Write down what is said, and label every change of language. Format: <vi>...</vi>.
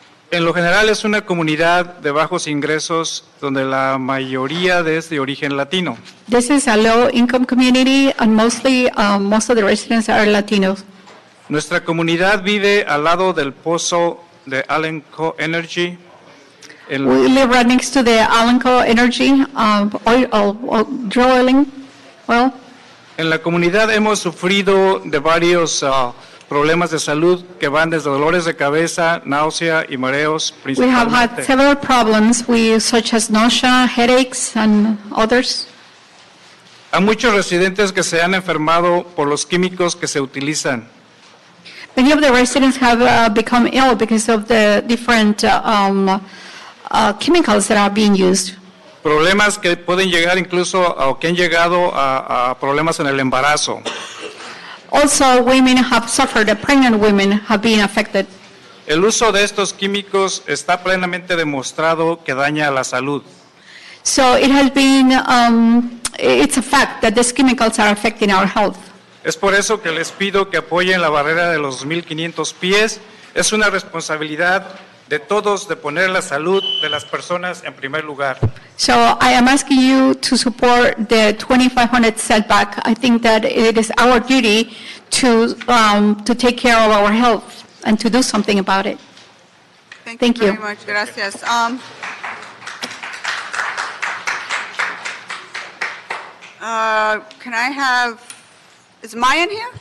<es>En lo general es una comunidad de bajos ingresos donde la mayoría es de origen latino.</es> <en>This is a low-income community and mostly most of the residents are Latinos.</en> <es>Nuestra comunidad vive al lado del pozo de Alenco Energy.</es> <en>We live right next to the Alenco Energy drilling well.</en> <es>En la comunidad hemos sufrido de varios problemas de salud que van desde dolores de cabeza, náusea y mareos principalmente.</es> <en>We have had several problems such as nausea, headaches and others.</en> <es>Hay muchos residentes que se han enfermado por los químicos que se utilizan.</es> <en>Many of the residents have become ill because of the different chemicals that are being used.</en> <es>Problemas que pueden llegar incluso o que han llegado a problemas en el embarazo.</es> <en>Also, women have suffered. Pregnant women have been affected.</en> <es>El uso de estos químicos está plenamente demostrado que daña la salud.</es> <en>So it has been, it's a fact that these chemicals are affecting our health.</en> <es>Es por eso que les pido que apoyen la barrera de los 2,500 pies. Es una responsabilidad de todos de poner la salud de las personas en primer lugar.</es> <en>So I am asking you to support the 2,500 setback. I think that it is our duty to take care of our health and to do something about it. Thank you very much. Gracias. Can I have, is Maya in here?</en>